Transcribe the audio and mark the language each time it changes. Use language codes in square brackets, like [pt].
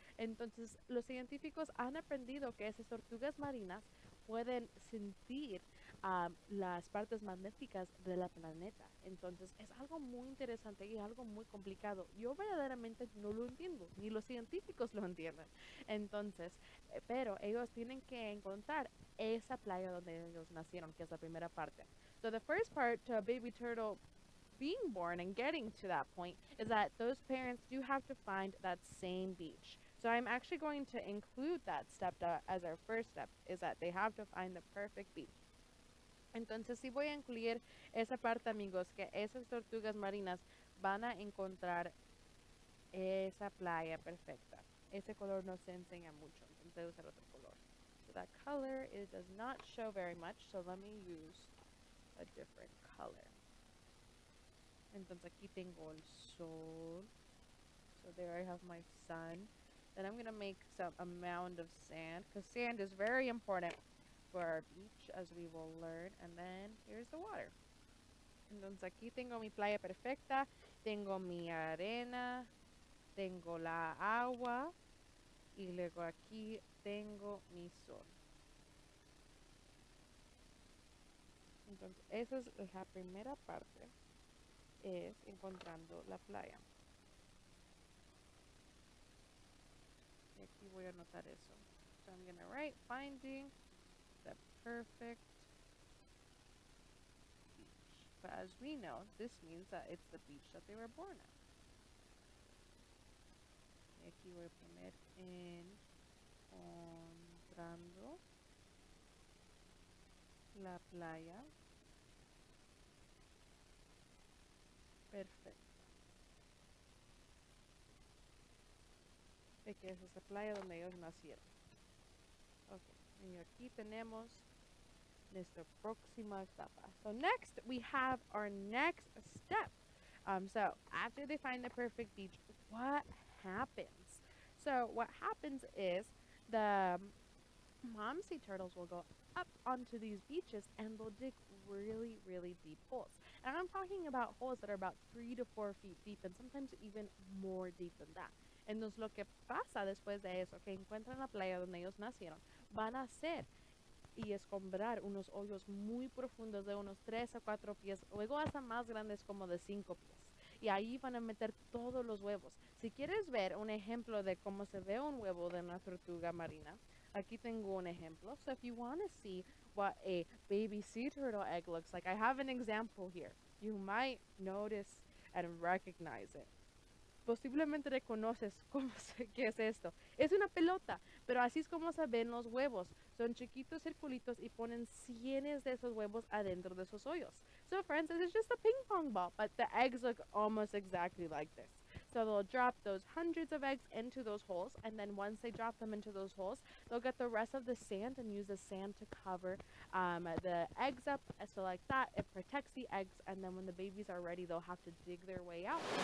[es] Entonces, los científicos han aprendido que esas tortugas marinas pueden sentir las partes magnéticas de la planeta. Entonces, es algo muy interesante y algo muy complicado. Yo verdaderamente no lo entiendo, ni los científicos lo entienden. Entonces, pero ellos tienen que encontrar esa playa donde ellos nacieron, que es la primera parte. [en] So the first part to a baby turtle being born and getting to that point is that those parents do have to find that same beach. So I'm actually going to include that step as our first step, is that they have to find the perfect beach. [es] Entonces, sí voy a incluir esa parte, amigos, que esas tortugas marinas van a encontrar esa playa perfecta. Ese color no se enseña mucho, entonces usar otro color. [en] So that color, it does not show very much, so let me use a different color. [es] Entonces, aquí tengo el sol. [en] So there I have my sun. Then I'm going to make some a mound of sand, because sand is very important for our beach, as we will learn. And then here's the water. [es] Entonces aquí tengo mi playa perfecta, tengo mi arena, tengo la agua, y luego aquí tengo mi sol. Entonces esa es la primera parte, es encontrando la playa. Y aquí voy a anotar eso. [en] So I'm gonna write finding the perfect beach. But as we know, this means that it's the beach that they were born at. [es] Y aquí voy a poner encontrando la playa perfecta. Y que es esa playa donde ellos nacieron. Y aquí tenemos nuestra próxima etapa. [en] So next, we have our next step. So after they find the perfect beach, what happens? So what happens is the mom sea turtles will go up onto these beaches and they'll dig really, really deep holes. And I'm talking about holes that are about 3 to 4 feet deep and sometimes even more deep than that. [es] Entonces, lo que pasa después de eso, que encuentran la playa donde ellos nacieron, van a hacer y escombrar unos hoyos muy profundos de unos 3 a 4 pies, luego hasta más grandes como de 5 pies. Y ahí van a meter todos los huevos. Si quieres ver un ejemplo de cómo se ve un huevo de una tortuga marina, aquí tengo un ejemplo. [en] So if you want to see what a baby sea turtle egg looks like, I have an example here. You might notice and recognize it. [es] Posiblemente reconoces cómo se, qué es esto. Es una pelota, pero así es como se ven los huevos. Son chiquitos circulitos y ponen cientos de esos huevos adentro de esos hoyos. [en] So friends, this is just a ping pong ball, but the eggs look almost exactly like this. So they'll drop those hundreds of eggs into those holes, and then once they drop them into those holes, they'll get the rest of the sand and use the sand to cover the eggs up. So like that, it protects the eggs, and then when the babies are ready, they'll have to dig their way out.